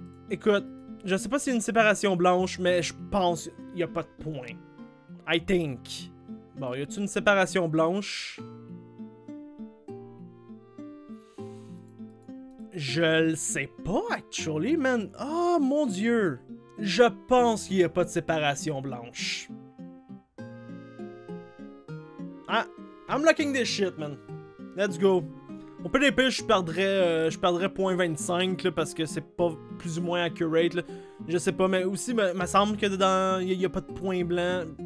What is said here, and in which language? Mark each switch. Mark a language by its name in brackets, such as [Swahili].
[French] Écoute, je sais pas si c'est une séparation blanche, mais je pense qu'il y a pas de point. [English] I think. [French] Bon, y a-tu une séparation blanche? Je le sais pas, actually, man. Oh, mon Dieu! Je pense qu'il y a pas de séparation blanche. [English] Ah, I'm looking this shit, man. Let's go. [French] Au pire des pires, je perdrais 0.25 là, parce que c'est pas plus ou moins accurate là. Je sais pas, mais aussi, me semble que dedans, y a pas de point blanc.